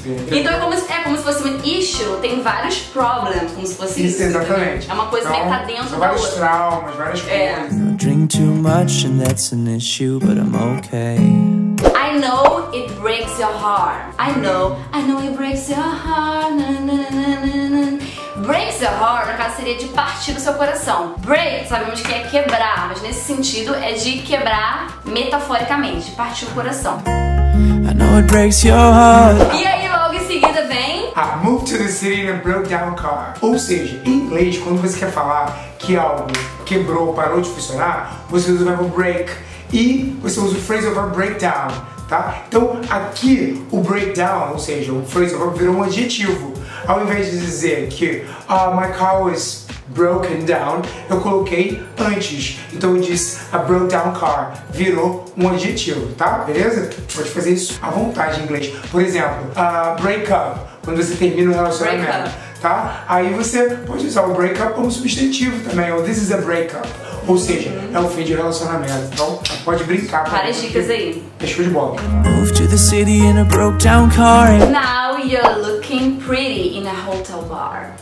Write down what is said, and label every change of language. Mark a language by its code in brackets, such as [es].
[pt] Então é como se fosse um issue, tem vários problems, como se fosse isso. Exatamente. É uma coisa então, que tá dentro da vários traumas, várias coisas. [en] I drink too much and that's an issue, but I'm okay. I know it breaks your heart. I know it breaks your heart. Na, na, na, na, na. Breaks your heart, [pt] no caso, seria de partir do seu coração. Break, sabemos que é quebrar, mas nesse sentido é de quebrar metaforicamente, de partir o coração. [en] I know it breaks your heart. [pt] E aí, logo em seguida vem... [en] I moved to the city and broke down a car. [pt] Ou seja, em inglês, quando você quer falar que algo quebrou, parou de funcionar, você usa o verbo break e você usa o phrase over breakdown, tá? Então, aqui, o breakdown, ou seja, o phrase over virou um adjetivo. Ao invés de dizer que [en] my car was broken down, [pt] eu coloquei antes. Então eu disse [en] a broke down car, [pt] virou um adjetivo, tá? Beleza? Pode fazer isso à vontade em inglês. Por exemplo, break up, quando você termina o relacionamento, tá? Aí você pode usar o break up como substantivo também, ou [en] this is a break up. [pt] Ou seja, é o fim de relacionamento. Então pode brincar. Várias dicas aí. Deixa eu de bola. [en] Move to the city in a broke down car. Now you're looking pretty in a hotel bar.